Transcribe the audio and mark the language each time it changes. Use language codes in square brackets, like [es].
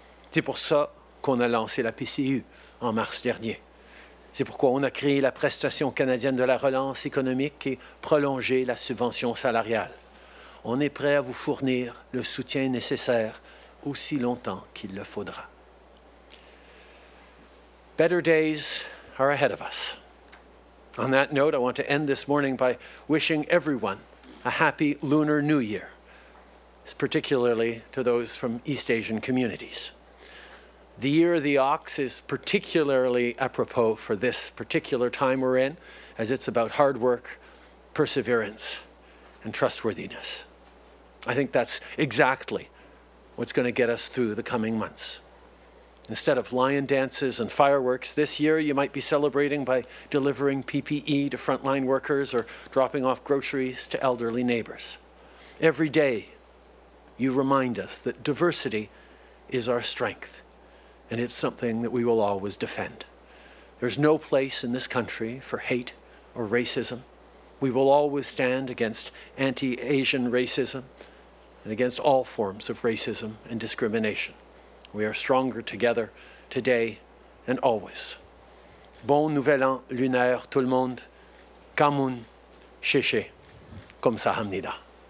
[fr] C'est pour ça qu'on a lancé la PCU en mars dernier. C'est pourquoi on a créé la prestation canadienne de la relance économique et prolongé la subvention salariale. on est prêt à vous fournir le soutien nécessaire aussi longtemps qu'il le faudra. [en] Better days are ahead of us. On that note, I want to end this morning by wishing everyone a happy Lunar New Year, particularly to those from East Asian communities. The year of the ox is particularly apropos for this particular time we're in, as it's about hard work, perseverance, and trustworthiness. I think that's exactly what's going to get us through the coming months. Instead of lion dances and fireworks, this year you might be celebrating by delivering PPE to frontline workers or dropping off groceries to elderly neighbors. Every day, you remind us that diversity is our strength, and it's something that we will always defend. There's no place in this country for hate or racism. We will always stand against anti-Asian racism and against all forms of racism and discrimination. We are stronger together today and always. [fr] Bon nouvel an lunaire tout le monde. Kamun, cheche, comme ça hamnida.